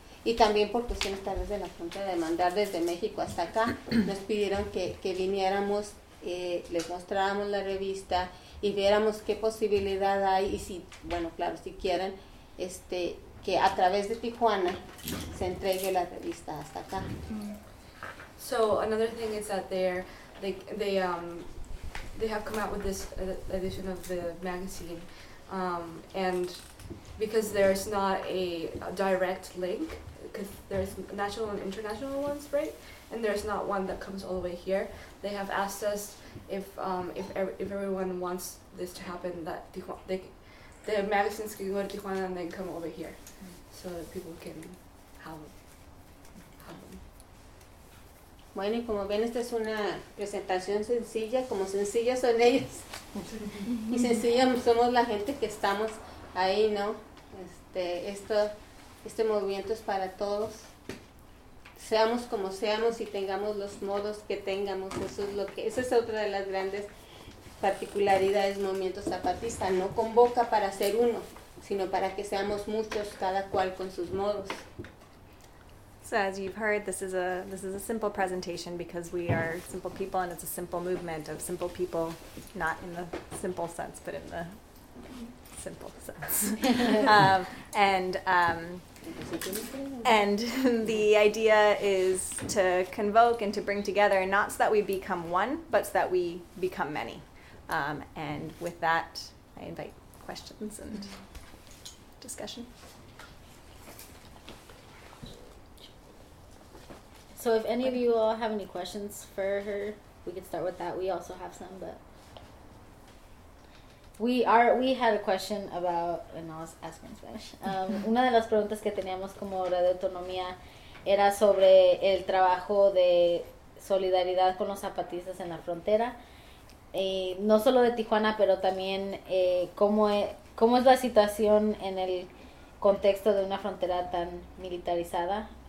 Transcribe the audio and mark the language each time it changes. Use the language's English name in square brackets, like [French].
[Spanish] Y también por cuestiones tal vez de la frontera de mandar desde México hasta acá, nos pidieron que viniéramos, les mostráramos la revista y viéramos qué posibilidad hay y si, bueno, claro, si quieren, que a través de Tijuana se entregue la revista hasta acá. [English] So another thing is that they have come out with this edition of the magazine, and because there's not a direct link, because there's national and international ones, right? And there's not one that comes all the way here. They have asked us if everyone wants this to happen, that the magazines can go to Tijuana and then come over here, so that people can have them. [Spanish] Bueno, y como ven, esta es una presentación sencilla, como sencillas son ellos. Y sencillos somos la gente que estamos ahí, ¿no? Este movimiento es para todos. Seamos como seamos y tengamos los modos que tengamos. Esa es otra de las grandes particularidades del movimiento zapatista. No convoca para ser uno, sino para que seamos muchos, cada cual con sus modos. [English] So as you've heard, this is a simple presentation because we are simple people and it's a simple movement of simple people, not in the simple sense, but in the simple sense. And the idea is to convoke and to bring together, not so that we become one, but so that we become many. And with that, I invite questions and discussion. So if any of you all have any questions for her, we could start with that. We also have some, but we had a question about, and I was asking in Spanish. [Spanish] Una de las preguntas que teníamos como hora de autonomía era sobre el trabajo de solidaridad con los zapatistas en la frontera, no solo de Tijuana, pero también cómo es la situación en el contexto de una frontera tan militarizada.